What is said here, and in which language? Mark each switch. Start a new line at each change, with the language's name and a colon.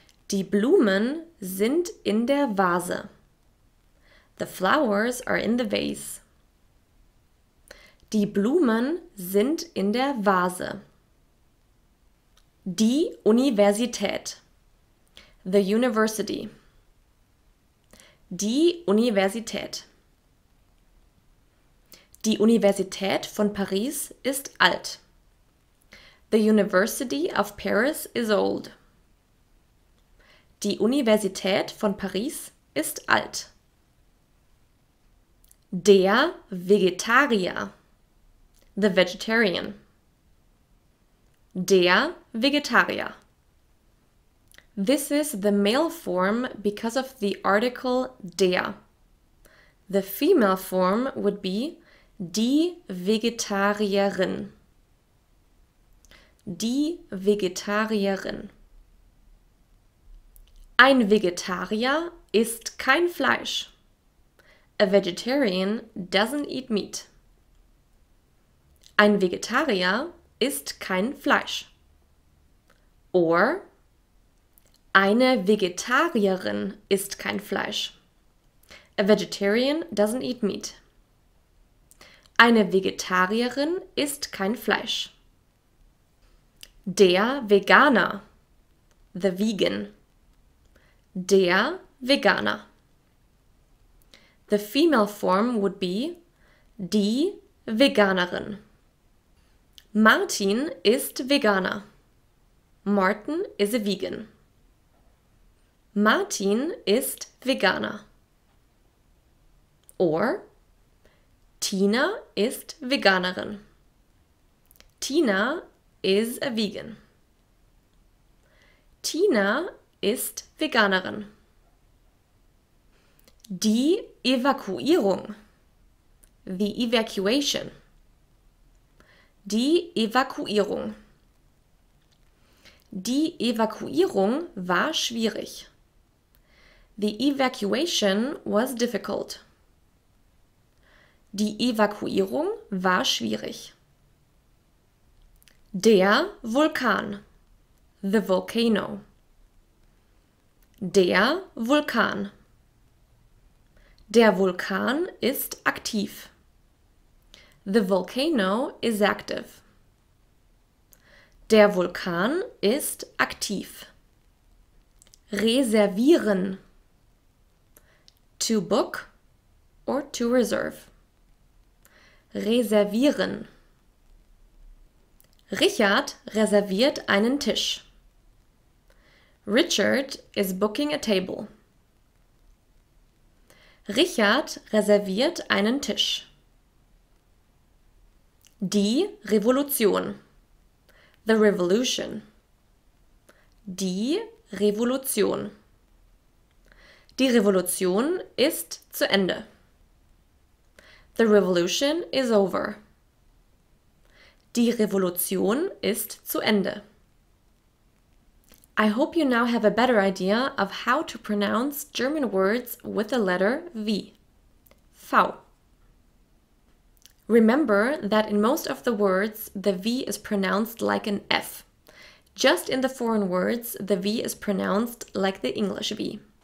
German: Die Blumen sind in der Vase.
English: The flowers are in the vase.
German: Die Blumen sind in der Vase. Die Universität.
English: The university.
German: Die Universität. Die Universität von Paris ist alt.
English: The University of Paris is old.
German: Die Universität von Paris ist alt. Der Vegetarier.
English: The vegetarian.
German: Der Vegetarier.
English: This is the male form because of the article der. The female form would be die Vegetarierin.
German: Die Vegetarierin. Ein Vegetarier isst kein Fleisch.
English: A vegetarian doesn't eat meat.
German: Ein Vegetarier isst kein Fleisch. Or eine Vegetarierin isst kein Fleisch.
English: A vegetarian doesn't eat meat.
German: Eine Vegetarierin isst kein Fleisch. Der Veganer.
English: The vegan.
German: Der Veganer. The female form would be die Veganerin. Martin ist Veganer.
English: Martin is a vegan.
German: Martin ist Veganer. Or Tina ist Veganerin.
English: Tina is a vegan.
German: Tina ist Veganerin. Die Evakuierung.
English: The evacuation.
German: Die Evakuierung. Die Evakuierung war schwierig.
English: The evacuation was difficult.
German: Die Evakuierung war schwierig. Der Vulkan.
English: The volcano.
German: Der Vulkan. Der Vulkan ist aktiv.
English: The volcano is active.
German: Der Vulkan ist aktiv. Reservieren.
English: To book or to reserve.
German: Reservieren. Richard reserviert einen Tisch.
English: Richard is booking a table.
German: Richard reserviert einen Tisch. Die Revolution.
English: The Revolution.
German: Die Revolution. Die Revolution ist zu Ende.
English: The Revolution is over.
German: Die Revolution ist zu Ende.
English: I hope you now have a better idea of how to pronounce German words with the letter V. V. Remember that in most of the words, the V is pronounced like an F. Just in the foreign words, the V is pronounced like the English V.